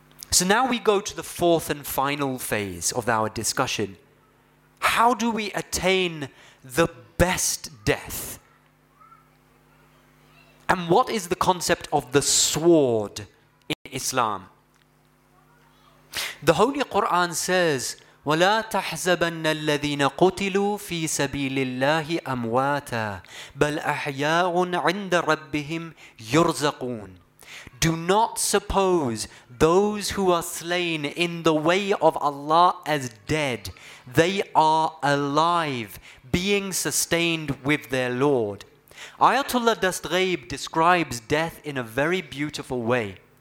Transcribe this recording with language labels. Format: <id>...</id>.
<en>So now we go to the fourth and final phase of our discussion. How do we attain the best death? And what is the concept of the sword in Islam? The Holy Quran says,</en> <ar>وَلَا تَحْزَبَنَّ الَّذِينَ قُتِلُوا فِي سَبِيلِ اللَّهِ أَمْوَاتًا بَلْ أَحْيَاءٌ عِنْدَ رَبِّهِمْ يُرْزَقُونَ.</ar> <en>Do not suppose those who are slain in the way of Allah as dead. They are alive, being sustained with their Lord. Ayatollah Dastghayb describes death in a very beautiful way.</en>